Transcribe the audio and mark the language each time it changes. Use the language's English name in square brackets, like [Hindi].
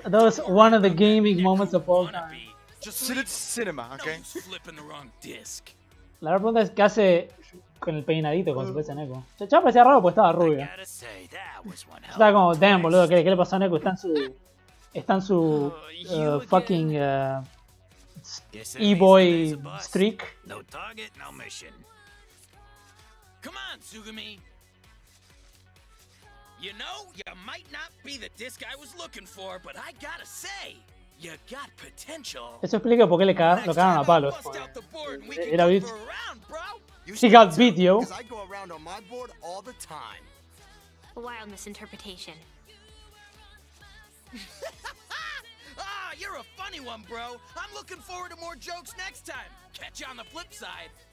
[English] That was one of the gaming moments of all time. Just cinema, okay? Flipping the wrong disc. [Spanish] La verdad pregunta es qué hace con el peinadito cuando se parece a Neku. Ya parecía raro porque estaba rubio. Estaba como, damn, boludo, ¿qué le pasó a Neku? Está en su fucking [English] E-boy streak. No target, no mission. Come on, Tsugumi. You know, you might not be the disc I was looking for, but I gotta say, you got potential. [Spanish] Eso explica por qué le cagaron a palos. Era beat. [English] She got beat, yo. Because I go around on my board all the time. A wild misinterpretation. Ah, you're a funny one, bro. I'm looking forward to more jokes next time. Catch you on the flip side.